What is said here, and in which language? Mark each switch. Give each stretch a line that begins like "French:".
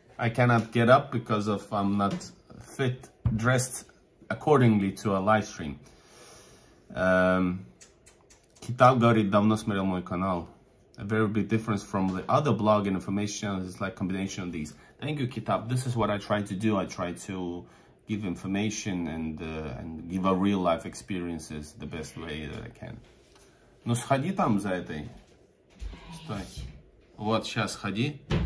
English: I cannot get up because of I'm not fit, dressed accordingly to a live stream.
Russian: Kitab говорит, давно смотрел мой канал.
English: A very big difference from the other blog and information is like combination of these. Thank you, Kitab. This is what I try to do. I try to give information and give a real life experiences the best way that I can.
Russian: Ну сходи там за этой. Стой. Вот сейчас ходи.